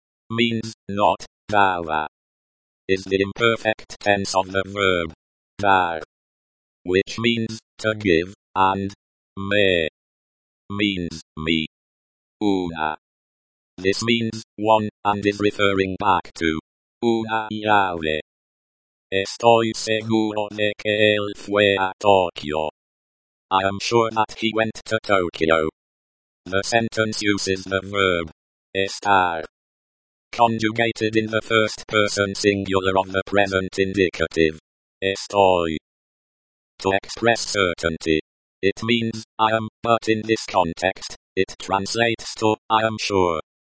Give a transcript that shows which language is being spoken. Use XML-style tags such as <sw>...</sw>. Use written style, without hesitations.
<en>Means, not, daba. Is the imperfect tense of the verb, dar. Which means, to give, and, me. Means, me. Una. This means, one, and is referring back to.</en> <es>Una llave. Estoy seguro de que él fue a Tokio.</es> <en>I am sure that he went to Tokyo. The sentence uses the verb. Estar. Conjugated in the first person singular of the present indicative. Estoy. To express certainty. It means, I am, but in this context, it translates to, I am sure.</en>